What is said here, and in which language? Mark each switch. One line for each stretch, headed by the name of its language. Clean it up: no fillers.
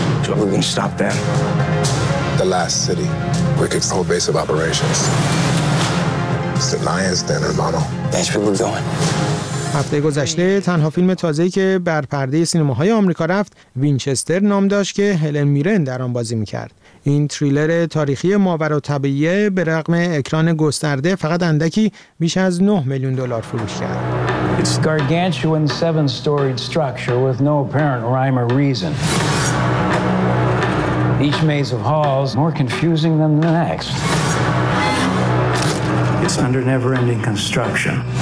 English: So we're going to stop them. The last city where it's the whole base of operations. It's the Lion's Den, hermano. That's where we're going.
Persian: هفته گذشته تنها فیلم تازه‌ای که بر پرده سینماهای آمریکا رفت وینچستر نام داشت که هلن میرن در آن بازی می‌کرد. این تریلر تاریخی ماوراءطبیعه به رغم اکران گسترده فقط اندکی بیش از 9 میلیون دلار فروش کرد.
English: It's a gargantuan seven-storied structure with no apparent rhyme or reason. Each maze of halls more confusing than the next. It's under never-ending construction.